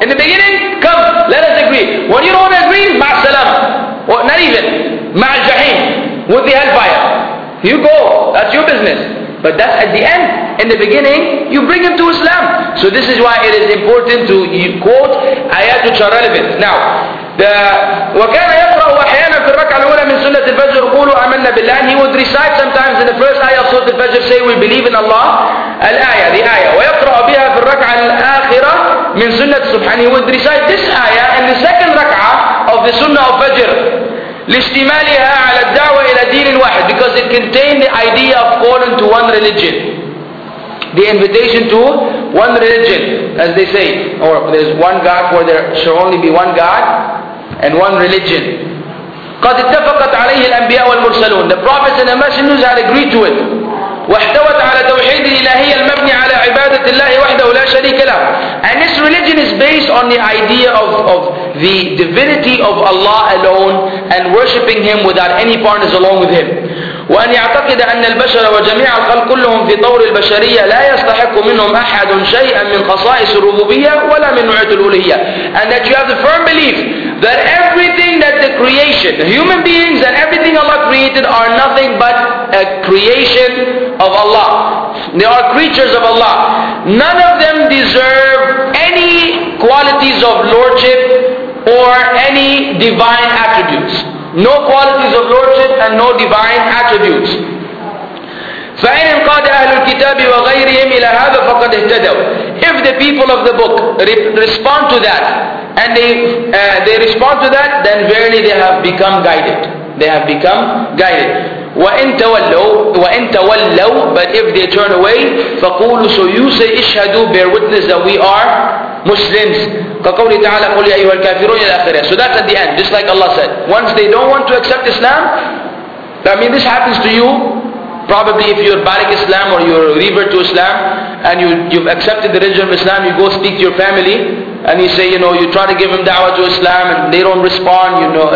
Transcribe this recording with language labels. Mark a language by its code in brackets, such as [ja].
[en] In the beginning, come. Let us agree. When you don't agree, [ar] مع السلام. [en] Not even. [ar] مع الجحيم. [en] With the hellfire. You go. That's your business. But that's at the end. In the beginning, you bring him to Islam. So this is why it is important to quote ayat which are relevant. Now, [ar] وكان يقرأ أحيانا في الركعة الأولى من سنة الفجر قولوا آمنا بالله. [en] And he would recite sometimes in the first ayah of Surah Al-Fajr, say we believe in Allah. The ayah. [ar] ويقرأ بها في الركعة الآخرة من سنة سبحانه. [en] He would recite this ayah in the second ركعة of the Sunnah of Fajr. [ar] لاستمالها على الدعوة إلى دين واحد. [en] Because it contained the idea of calling to one religion. The invitation to one religion, as they say, or there's one God, where there should only be one God and one religion. [ar] قد اتفقت عليه الأنبياء والمرسلون. [en] The prophets and the messengers had agreed to it. [ar] واحتوت على توحيد الإلهية المبني على عبادة الله وحده لا شريك له. [en] And this religion is based on the idea of the divinity of Allah alone and worshipping Him without any partners along with Him. [ar] وأن يعتقد أن البشر وجميع الخلق كلهم في طور البشرية لا يستحق منهم أحد شيئا من خصائص الربوبية ولا من نعوت الألوهية. [en] And that you have the firm belief that everything that the creation, the human beings and everything Allah created are nothing but a creation of Allah. They are creatures of Allah. None of them deserve any qualities of lordship or any divine attributes. No qualities of lordship and no divine attributes. [ar] فإن انقاد أهل الكتاب وغيرهم إلى هذا فقد اهتدوا. [en] If the people of the book respond to that, and they respond to that, then verily they have become guided. They have become guided. [ar] وإن تولوا, [en] but if they turn away, [ar] فقولوا, [en] so you say, [ar] اشهدوا, [en] bear witness that we are Muslims. [ar] كقوله تعالى قل يا أيها الكافرون إلى آخره. [en] So that's at the end, just like Allah said. Once they don't want to accept Islam, I mean, this happens to you, probably if you're Balik Islam or you're a revert to Islam, and you've accepted the religion of Islam, you go speak to your family, and you say, you know, you try to give them da'wah to Islam, and they don't respond, you know.